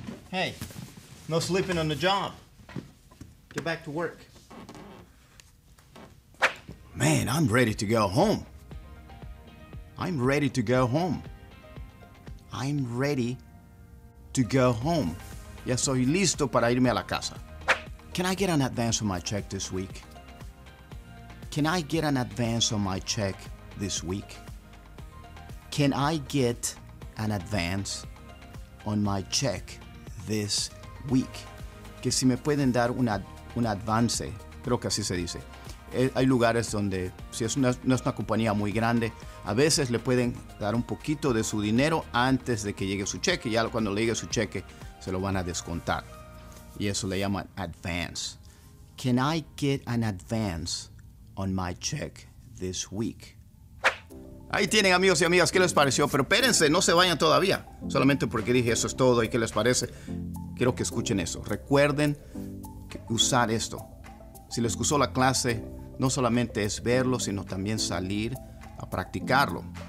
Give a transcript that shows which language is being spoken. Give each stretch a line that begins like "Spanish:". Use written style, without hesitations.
English: Hey, no sleeping on the job. Get back to work. Man, I'm ready to go home. I'm ready to go home. I'm ready to go home.
Spanish: Ya soy listo para irme a la casa.
English: Can I get an advance on my check this week? Can I get an advance on my check this week? Can I get an advance on my check this week?
Spanish: Que si me pueden dar un advance, creo que así se dice. Hay lugares donde, si es no es una compañía muy grande, a veces le pueden dar un poquito de su dinero antes de que llegue su cheque. Ya cuando le llegue su cheque, se lo van a descontar. Y eso le llaman advance.
English: Can I get an advance on my check this week?
Spanish: Ahí tienen, amigos y amigas, ¿qué les pareció? Pero espérense, no se vayan todavía. Solamente porque dije eso es todo y ¿qué les parece? Quiero que escuchen eso. Recuerden usar esto. Si les gustó la clase, no solamente es verlo, sino también salir a practicarlo.